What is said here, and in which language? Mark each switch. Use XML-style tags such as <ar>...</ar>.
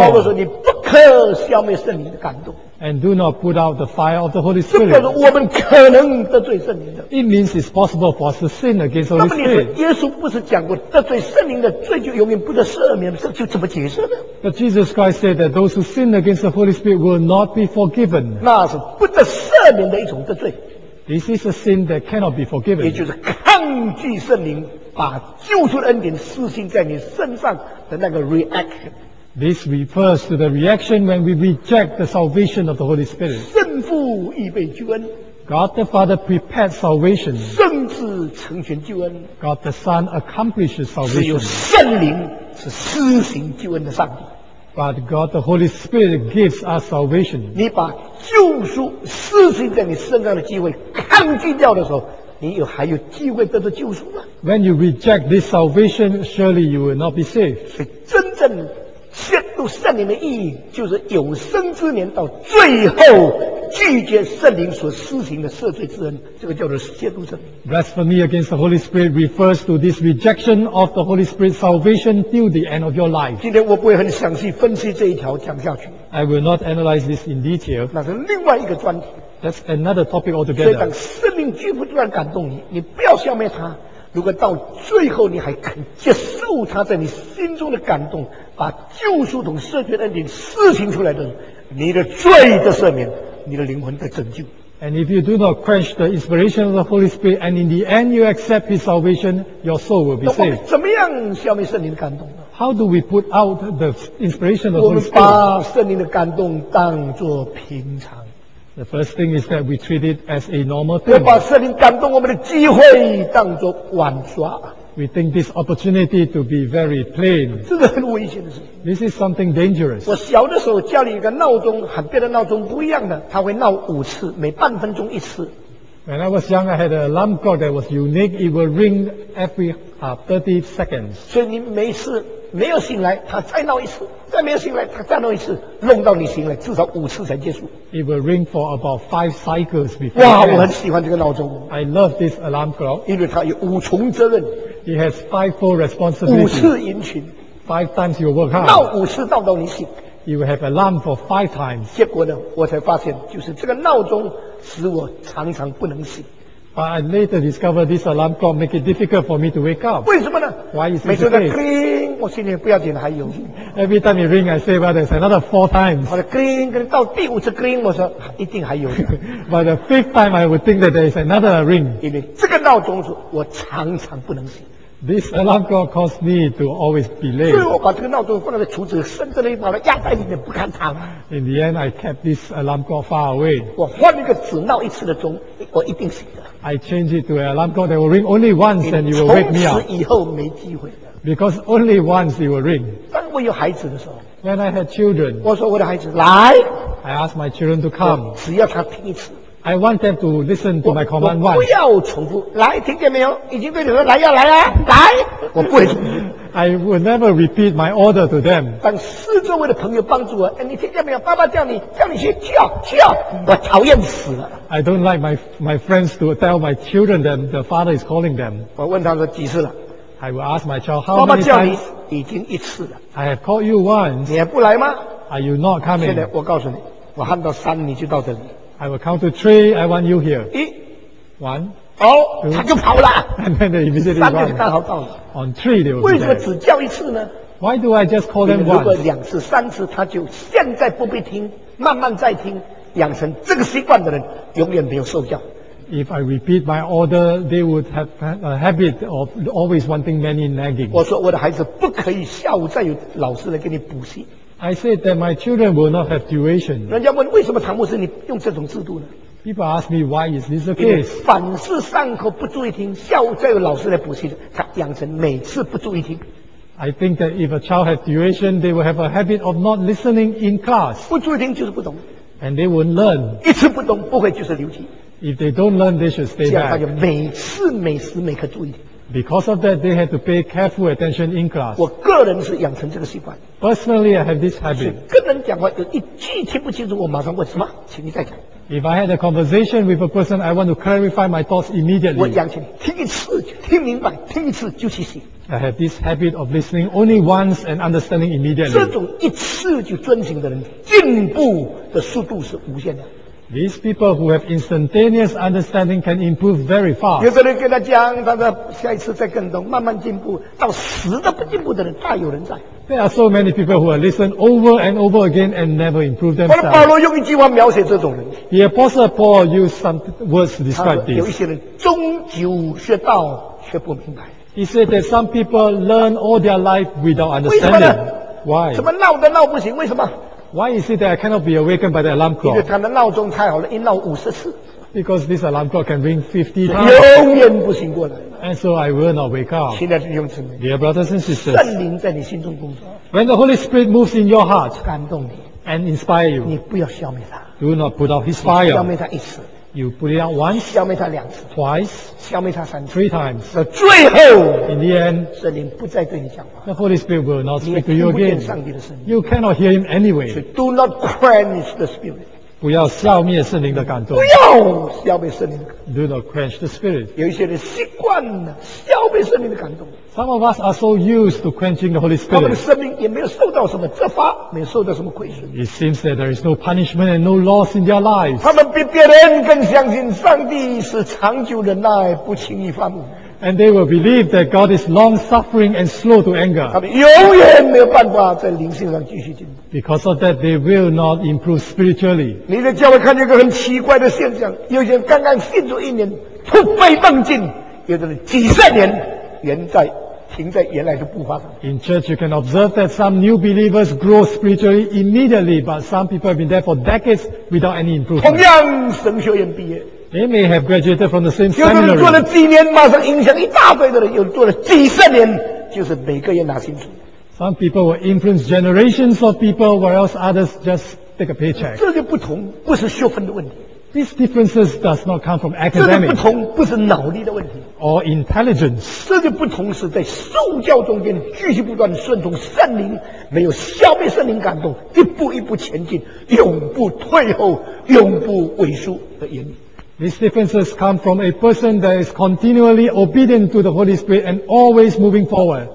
<zh>保罗说你不可消灭圣灵的感动。</zh> <en>And do not put out the fire of the Holy Spirit.</en> <zh>这表示我们可能得罪圣灵的。</zh> <en>It means it's possible for us to sin against the Holy Spirit.</en> <zh>那么你说耶稣不是讲过得罪圣灵的罪就永远不得赦免，这就怎么解释呢？</zh> <en>But Jesus Christ said that those who sin against the Holy Spirit will not be forgiven.</en> <zh>那是不得赦免的一种得罪。</zh> <en>This is a sin that cannot be forgiven.</en> <zh>也就是抗拒圣灵把救赎的恩典施行在你身上的那个 reaction。</zh> <en>This refers to the reaction when we reject the salvation of the Holy Spirit.</en> <zh>圣父预备救恩。</zh> <en>God the Father prepared salvation.</en> <zh>圣子成全救恩。</zh> <en>God the Son accomplishes salvation.</en> <zh>只有圣灵是施行救恩的上帝。</zh> <en>But God the Holy Spirit gives us salvation.</en> <zh>你把救赎施行在你身上的机会抗拒掉的时候，你有还有机会得到救赎吗？</zh> <en>When you reject this salvation, surely you will not be saved.</en> <zh>所以真正亵渎圣灵的意义，就是有生之年到最后拒绝圣灵所施行的赦罪之恩，这个叫做亵渎圣灵。</zh> <en>Blasphemy against the Holy Spirit refers to this rejection of the Holy Spirit's salvation till the end of your life.</en> <zh>今天我不会很详细分析这一条讲下去。</zh> <en>I will not analyze this in detail.</en> <zh>那是另外一个专题。</zh> <en>That's another topic altogether.</en> <zh>所以当圣灵拒不断感动你，你不要消灭它。如果到最后你还肯接受他在你心中的感动，把救赎同赦罪的恩典施行出来的，你的罪的赦免，你的灵魂的拯救。</zh> <en>And if you do not quench the inspiration of the Holy Spirit, and in the end you accept His salvation, your soul will be saved.</en> <zh>那我们怎么样消灭圣灵的感动呢？</zh> <en>How do we put out the inspiration of the Holy Spirit?</en> <zh>我们把圣灵的感动当作平常。</zh> <en>The first thing is that we treat it as a normal thing.</en> <zh>要把圣灵感动我们的机会当作玩耍。</zh> <en>We think this opportunity to be very plain.</en> <zh>这是很危险的事。</zh> <en>This is something dangerous.</en> <zh>我小的时候家里有个闹钟，和别的闹钟不一样的，它会闹五次，每半分钟一次。</zh> <en>When I was young, I had an alarm clock that was unique. It would ring every 30 seconds.</en> <zh>所以你每次没有醒来，它再闹一次。再没有醒来，他再弄一次，弄到你醒来，至少五次才结束。</zh> <en>It will ring for about five cycles before.</en> <zh>哇，我很喜欢这个闹钟。</zh> <en>I love this alarm clock.</en> <zh>因为它有五重责任。</zh> <en>It has fivefold responsibility.</en> <zh>五次迎勤。</zh> <en>Five times you work hard.</en> <zh>闹五次，闹到你醒。</zh> <en>You will have alarm for five times.</en> <zh>结果呢，我才发现，就是这个闹钟使我常常不能醒。</zh> <en>But I later discovered this alarm clock make it difficult for me to wake up.</en> <zh>为什么呢？</zh> <en>Why is it?</en> <zh>每次的 cling， 我心里不要紧，还有。</zh> <en>Every time it ring, I say, well, there's another four times.</en> <zh>我的 cling， 可能到第五次 cling， 我说一定还有。</zh> <en>But the fifth time, I would think that there is another ring.</en> <zh>因为这个闹钟是我常常不能醒。</zh> <en>This alarm clock caused me to always be late.</en> <zh>所以我把这个闹钟放在橱子，甚至呢把它压在里面不看它。</zh> <en>In the end, I kept this alarm clock far away.</en> <zh>我换一个只闹一次的钟，我一定醒的。</zh> <en>I change it to an alarm clock that will ring only once and you will wake me up.</en> <zh>从此以后没机会了。</zh> <en>Because only once it will ring.</en> <zh>当我有孩子的时候。</zh> <en>When I had children.</en> <zh>我说我的孩子来。</zh> <en>I asked my children to come.</en> <zh>只要他听一次。</zh> <en>I want them to listen to my command once.</en> <zh>我不要重复。来，听见没有？已经对你说来呀，来呀，来。我不会重复。</zh> <en>I will never repeat my order to them.</en> <zh>当四周围的朋友帮助我，哎，你听见没有？爸爸叫你，叫你去，去啊，去啊！我讨厌死了。</zh> <en>I don't like my friends to tell my children that the father is calling them.</en> <zh>我问他说几次了</zh> <en>？I will ask my child how many times.</en> <zh>爸爸叫你已经一次了。</zh> <en>I have called you once.</en> <zh>你也不来吗</zh> <en>？Are you not coming?</en> <zh>现在我告诉你，我喊到三你就到这里。</zh> <en>I will count to three. I want you here.</en> <zh>一</zh> <en>，one。</en> <zh>哦、oh, ，他就跑了。</zh> <en>And then they immediately run.</en> <zh>三个就刚好到了。</zh> <en>On three, they will.</en> <zh>为什么只叫一次呢</zh> <en>？Why do I just call them once？</en> <zh>如果两次、三次，他就现在不必听，慢慢再听，养成这个习惯的人，永远没有受教。</zh> <en>If I repeat my order, they would have a habit of always wanting many nagging.</en> <zh>我说我的孩子不可以下午再有老师来给你补习。</zh> <en>I said that my children will not have tuition.</en> <zh>人家问为什么唐牧师你用这种制度呢？</zh> <en>People ask me why is this the case?</en> <zh>凡事上课不注意听，下午再有老师来补习，他养成每次不注意听。</zh> <en>I think that if a child has tuition, they will have a habit of not listening in class.</en> <zh>不注意听就是不懂。</zh> <en>And they won't learn.</en> <zh>一次不懂不会就是留级。</zh> <en>If they don't learn, they should stay back.</en> <zh>这样他就每次每时每刻注意听。</zh> <en>Because of that, they had to pay careful attention in class.</en> <zh>我个人是养成这个习惯。</zh> <en>Personally, I have this habit.</en> <zh>跟人讲话，有一句听不清楚，我马上问什么，请你再讲。</zh> <en>If I had a conversation with a person, I want to clarify my thoughts immediately.</en> <zh>我讲清，听一次听明白，听一次就去洗。</zh> <en>I have this habit of listening only once and understanding immediately.</en> <zh>这种一次就遵循的人，进步的速度是无限的。</zh> <en>These people who have instantaneous understanding can improve very fast.</en> <zh>有的人跟他讲，他说下一次再更懂，慢慢进步，到死都不进步的人大有人在。</zh> <en>There are so many people who are listened over and over again and never improve themselves.</en> <zh>保罗用一句话描写这种人。</zh> <en>The Apostle Paul used some words to describe this.</en> <zh>有一些人终究学道却不明白。</zh> <en>He said that some people learn all their life without understanding.</en> <zh>为什么呢？</zh> <en>Why?</en> <zh>怎么闹都闹不醒？为什么？</zh> <en>Why is it that I cannot be awakened by the alarm clock?</en> <zh>因为他的闹钟太好了，一闹五十次。</zh> <en>Because this alarm clock can ring 50 times.</en> <zh>永远不醒过来。</zh> <en>And so I will not wake up.</en> <zh>亲爱的弟兄姊妹，</zh> <en>Dear brothers and sisters,</en> <zh>圣灵在你心中工作。</zh> <en>When the Holy Spirit moves in your heart,</en> <zh>感动你，</zh> <en>and inspire you,</en> <zh>你不要消灭他。</zh> <en>Do not put out his fire.</en> <zh>消灭他一次。</zh> <en>You put it out once.</en> <zh>消灭他两次。</zh> <en>Twice.</en> <zh>消灭他三次。</zh> <en>Three times.</en> <zh>到最后，</zh> <en>in the end,</en> <zh>圣灵不再对你讲话。</zh> <en>The Holy Spirit will not speak to you again. You cannot hear him anyway. So do not quench the Spirit.</en> <zh>不要消灭圣灵的感动。不要消灭圣灵的感动。</zh> <en>Do not quench the Spirit.</en> <zh>有一些人习惯了消灭圣灵的感动。</zh> <en>Some of us are so used to quenching the Holy Spirit.</en> <zh>他们的生命也没有受到什么责罚，没有受到什么亏损。</zh> <en>It seems that there is no punishment and no loss in their lives.</en> <zh>他们比别人更相信上帝是长久忍耐，不轻易发怒。</zh> <en>And they will believe that God is long-suffering and slow to anger.</en> <zh>他们永远没有办法在灵性上继续进步。</zh> <en>Because of that, they will not improve spiritually.</en> <zh>你的教会看见一个很奇怪的现象，有些人刚刚信主一年突飞猛进，有的人几十年原在停在原来的步伐上。</zh> <en>In church, you can observe that some new believers grow spiritually immediately, but some people have been there for decades without any improvement.</en> <zh>同样，神学院毕业。</zh> <en>They may have graduated from the same seminary.</en> <zh>有的人做了几年，马上影响一大堆的人；有的人做了几十年，就是每个月拿薪水。</zh> <en>Some people will influence generations of people, whereas others just take a paycheck.</en> <zh>这个不同不是学分的问题。</zh> <en>These differences does not come from academics.</en> <zh>这个不同不是脑力的问题。</zh> <en>Or intelligence.</en> <zh>这个不同是在受教中间继续不断顺从圣灵，没有消灭圣灵感动，一步一步前进，永不退后，永不萎缩的原理。</zh> <en>These differences come from a person that is continually obedient to the Holy Spirit and always moving forward.</en>